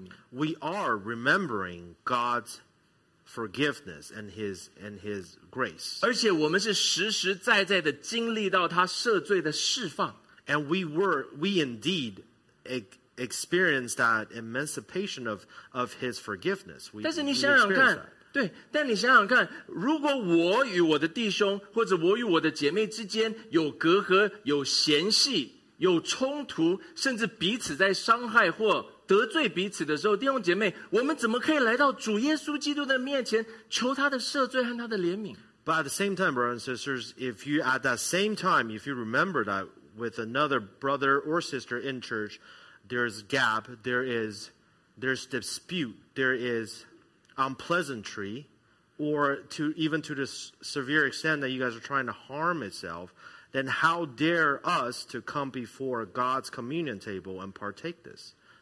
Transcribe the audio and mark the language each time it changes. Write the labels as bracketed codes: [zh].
[en] we are remembering God's forgiveness and his grace. [zh] 而且我们是实实在在的经历到他赦罪的释放。 [en] And we indeed experienced that emancipation of his forgiveness. We [zh] 但是你想想看, 对, 但你想想看, 如果我与我的弟兄, 或者我与我的姐妹之间有隔阂, 有嫌隙, 有冲突, 甚至彼此在伤害或 得罪彼此的时候，弟兄姐妹，我们怎么可以来到主耶稣基督的面前求他的赦罪和他的怜悯？ [en] But at the same time, brothers and sisters, if you at that same time, if you remember that with another brother or sister in church, there's gap, there's dispute, there is unpleasantry, or to even to the severe extent that you guys are trying to harm itself, then how dare us to come before God's communion table and partake this?